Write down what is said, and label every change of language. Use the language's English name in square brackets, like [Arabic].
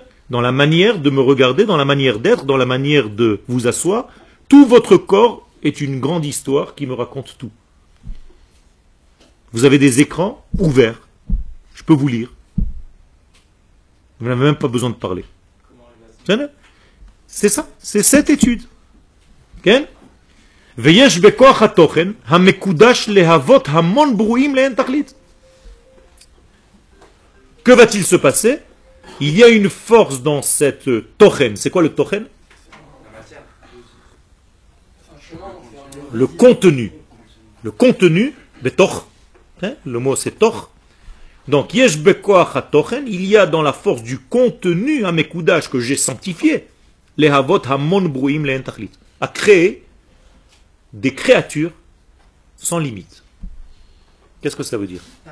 [French] Dans la manière de me regarder, dans la manière d'être, dans la manière de vous asseoir, tout votre corps est une grande histoire qui me raconte tout. Vous avez des écrans ouverts. Je peux vous lire. Vous n'avez même pas besoin de parler. C'est ça. C'est cette étude. Okay? [Hebrew] ויש בכוח התוכן המקודש להוות המון ברואים לאין תכלית. [French] Que va-t-il se passer? Il y a une force dans cette tochen. C'est quoi le tochen? Le contenu. Le contenu, betoch. Hein? Le mot c'est toch. Donc, [Hebrew] yesh bekoach hatochen, [French] il y a dans la force du contenu à mes coudages que j'ai sanctifié, [Hebrew] lehavot hamon bruim lein tachlit, [French] à créer des créatures sans limite. Qu'est-ce que ça veut dire?